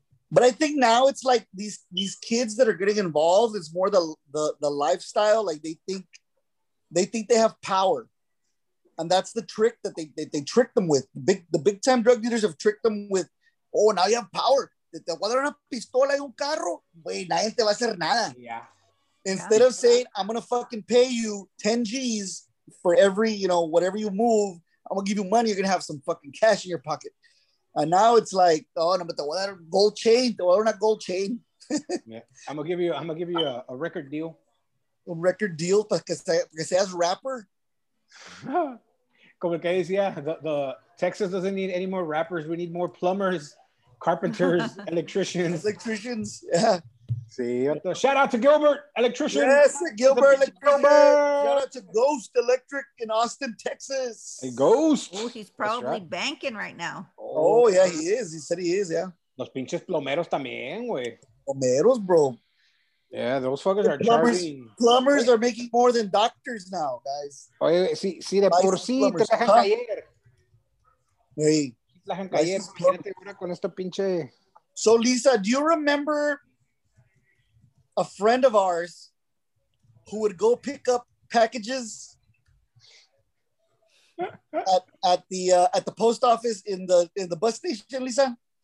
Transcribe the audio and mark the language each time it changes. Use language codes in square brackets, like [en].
[en] But I think now it's like these kids that are getting involved, it's more the lifestyle. Like they think they have power. And that's the trick that they trick them with. The big time drug dealers have tricked them with, oh, now you have power. [es] Te voy a dar una pistola y un carro, güey, nadie te va a hacer nada. [en] Yeah. Instead of saying, I'm gonna fucking pay you 10 G's for every, you know, whatever you move, I'm gonna give you money, you're gonna have some fucking cash in your pocket. And now it's like, oh, no, but the what gold chain, the what gold chain. Yeah, I'm gonna give you a record deal. A record deal, because as rapper. [es] Como que decía, [en] the Texas doesn't need any more rappers. We need more plumbers, carpenters, electricians. Yeah. See, shout out to Gilbert, electrician. Yes, Gilbert, Shout out to Ghost Electric in Austin, Texas. Hey, Ghost. Oh, he's probably right. Banking right now. Oh, yeah, he is. He said he is, yeah. [es] Los pinches plomeros también, güey. Plomeros, bro. [en] Yeah, those fuckers the are plumbers, charging. Plumbers are making more than doctors now, guys. [es] Oye, si de por sí, te dejan caer. [en] Hey. [es] Te dejan caer. Fíjate ahora con esta pinche. [en] So, Lisa, do you remember a friend of ours who would go pick up packages at the post office in the bus station, Lisa?